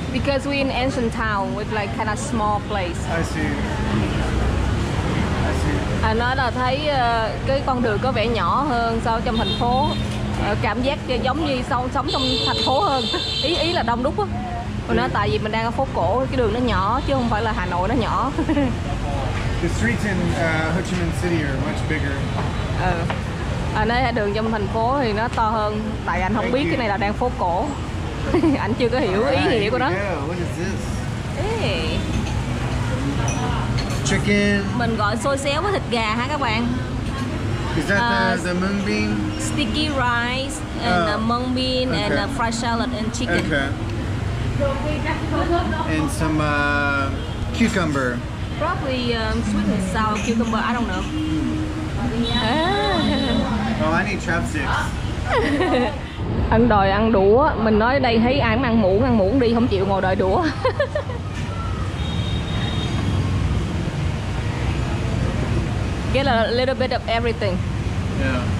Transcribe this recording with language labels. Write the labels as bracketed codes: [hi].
[en] Because we're in ancient town with like kind of small place. I see. [vi] Anh nói là thấy cái con đường có vẻ nhỏ hơn so trong thành phố. Cảm giác giống như sống trong thành phố hơn. ý là đông đúc á. Mình nói tại vì mình đang ở phố cổ, cái đường nó nhỏ chứ không phải là Hà Nội nó nhỏ. [en] The streets in Ho Chi Minh City are much bigger. [vi] Nói đường trong thành phố thì nó to hơn. Tại anh không biết cái này là đang phố cổ. Anh chưa có hiểu ý nghĩa của nó. [en] What is this? Chicken. [vi] Mình gọi xôi xéo với thịt gà ha các bạn. [en] Is that the mung bean? Sticky rice and mung bean and fried shallot and chicken. And some cucumber. Probably sweet and sour cucumber, I don't know. Oh, I need chopsticks. [vi] Anh đòi ăn đũa, mình nói đây thấy ai cũng ăn muỗng đi, không chịu ngồi đợi đũa. [en] Get a little bit of everything. Yeah.